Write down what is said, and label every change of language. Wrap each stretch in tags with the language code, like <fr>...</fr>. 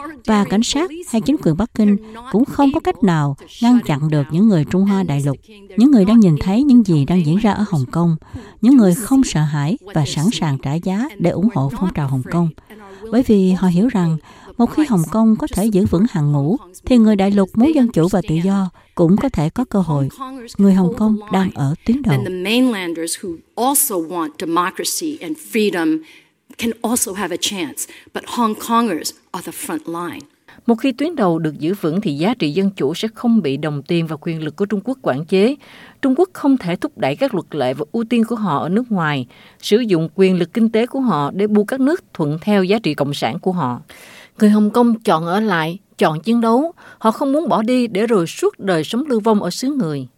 <vi>Và cảnh sát hay chính quyền Bắc Kinh cũng không có cách nào ngăn chặn được những người Trung Hoa đại lục, những người đang nhìn thấy những gì đang diễn ra ở Hồng Kông, những người không sợ hãi và sẵn sàng trả giá để ủng hộ phong trào Hồng Kông. Bởi vì họ hiểu rằng, một khi Hồng Kông có thể giữ vững hàng ngũ, thì người đại lục muốn dân chủ và tự do cũng có thể có cơ hội. Người Hồng Kông đang ở tuyến đầu.</vi> <en>And the mainlanders who also want democracy and freedom can also have a chance, but Hong Kongers are the front line.</en> <vi>Một khi tuyến đầu được giữ vững thì giá trị dân chủ sẽ không bị đồng tiền và quyền lực của Trung Quốc quản chế. Trung Quốc không thể thúc đẩy các luật lệ và ưu tiên của họ ở nước ngoài, sử dụng quyền lực kinh tế của họ để buộc các nước thuận theo giá trị cộng sản của họ. Người Hồng Kông chọn ở lại, chọn chiến đấu. Họ không muốn bỏ đi để rồi suốt đời sống lưu vong ở xứ người.</vi>